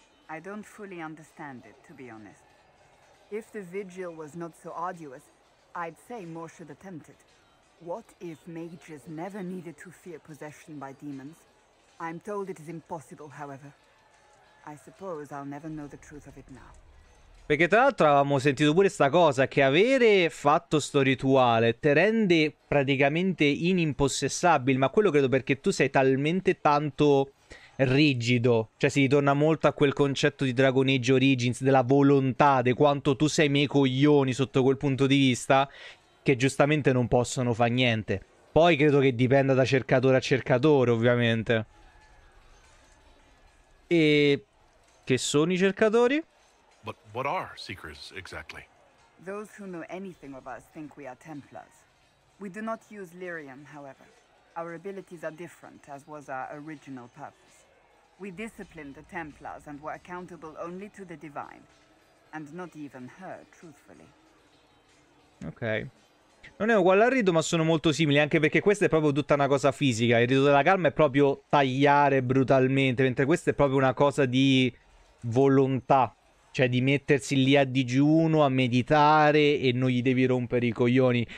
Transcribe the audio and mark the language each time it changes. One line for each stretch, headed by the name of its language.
English: I don't fully understand it, to be honest. If the vigil was not so arduous, I'd say more should attempt it. What if mages never needed to fear possession by demons? I'm told it is impossible, however. I suppose I'll never know the truth of it now.
Italian: Perché tra l'altro avevamo sentito pure sta cosa, che avere fatto sto rituale te rende praticamente inimpossessabile, ma quello credo perché tu sei talmente tanto rigido, cioè si ritorna molto a quel concetto di Dragon Age Origins, della volontà, di quanto tu sei miei coglioni sotto quel punto di vista, che giustamente non possono fa niente. Poi credo che dipenda da cercatore a cercatore, ovviamente. E che sono i cercatori?
English: But what are seekers exactly? Those who know anything of us think we are Templars. We do not use Lyrium, however. Our abilities are different, as was our original purpose. We disciplined the Templars and were accountable only to the divine, and not even her, truthfully.
Italian: Ok. Non è uguale al rito, ma sono molto simili, anche perché questa è proprio tutta una cosa fisica. Il rito della calma è proprio tagliare brutalmente, mentre questa è proprio una cosa di volontà. Cioè di mettersi lì a digiuno, a meditare, e non gli devi rompere i coglioni.